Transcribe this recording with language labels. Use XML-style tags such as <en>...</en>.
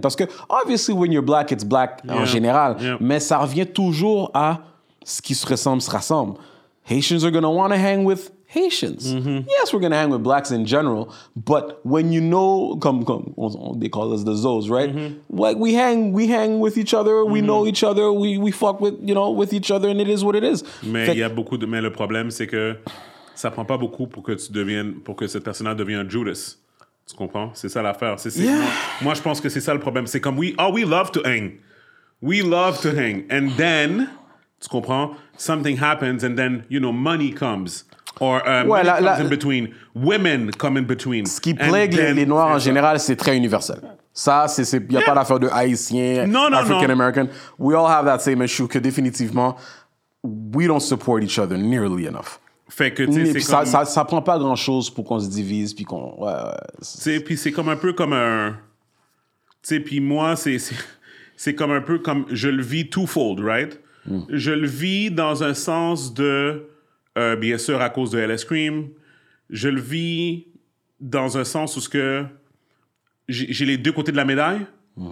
<fr>Parce que,</fr> <en>obviously, when you're black, it's black yeah.</en> <fr>en général.</fr> <en>Yeah.</en> <fr>Mais ça revient toujours à ce qui se ressemble, se rassemble.</fr> <en>Haitians are gonna wanna hang with Haitians. Mm-hmm. Yes, we're gonna hang with blacks in general. But when you know,</en> <fr>comme</fr> <en>they call us the Zos, right? Mm-hmm. Like, we hang with each other, mm-hmm. we know each other, we fuck with, you know, with each other, and it is what it is.</en> <fr>Mais le problème, c'est que ça prend pas beaucoup pour que cette personne-là devienne Judas. Tu comprends? C'est ça l'affaire. C'est</fr> <en>yeah.</en> <fr>Moi, je pense que c'est ça le problème. C'est comme,</fr> <en>we love to hang. We love to hang. And then,</en> <fr>tu comprends?</fr> <en>Something happens and then, you know, money comes. Or in between. Women come in between.</en> <fr>Ce qui plague les Noirs en général, c'est très universel. Ça, c'est y a yeah. pas l'affaire de Haïtien, African-American.</fr> <en>We all have that same issue</en> <fr>que définitivement,</fr> <en>we don't support each other nearly enough.</en> <fr>Fait que, tu sais, c'est ça, comme... ça prend pas grand chose pour qu'on se divise puis qu'on c'est comme un peu comme un tu sais puis moi c'est comme un peu comme je le vis</fr> <en>twofold right</en> <fr>mm. Je le vis dans un sens de bien sûr à cause de LS Cream je le vis dans un sens où ce que j'ai les deux côtés de la médaille mm.</fr>